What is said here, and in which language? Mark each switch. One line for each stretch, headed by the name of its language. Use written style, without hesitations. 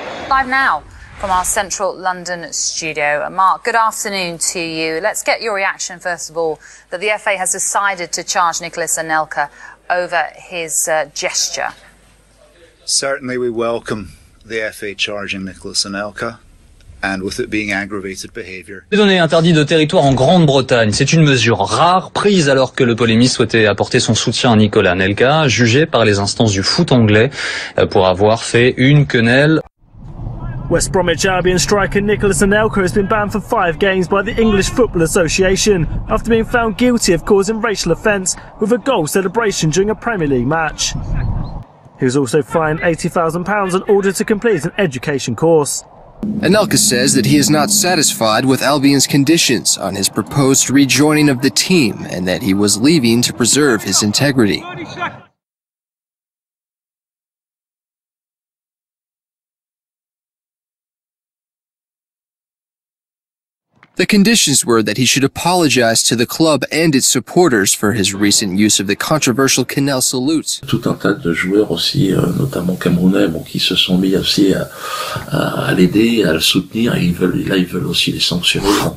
English: Live now from our central London studio. Mark, good afternoon to you. Let's get your reaction, first of all, that the FA has decided to charge Nicolas Anelka over his gesture. Certainly we welcome the FA charging Nicolas Anelka, and with it being aggravated behaviour.
French: Donner interdit de territoire en Grande-Bretagne, c'est une mesure rare prise alors que le polémiste souhaitait apporter son soutien à Nicolas Anelka, jugé par les instances du foot anglais pour avoir fait une quenelle.
English: West Bromwich Albion striker Nicolas Anelka has been banned for 5 games by the English Football Association after being found guilty of causing racial offence with a goal celebration during a Premier League match. He was also fined £80,000 and ordered to complete an education course. Anelka says that he is not satisfied with Albion's conditions on his proposed rejoining of the team and that he was leaving to preserve his integrity. The conditions were that he should apologize to the club and its supporters for his recent use of the controversial quenelle salute.
French: Tout un tas de joueurs aussi, notamment camerounais, bon, qui se sont mis aussi à l'aider, à le soutenir, et ils veulent aussi les sanctionner.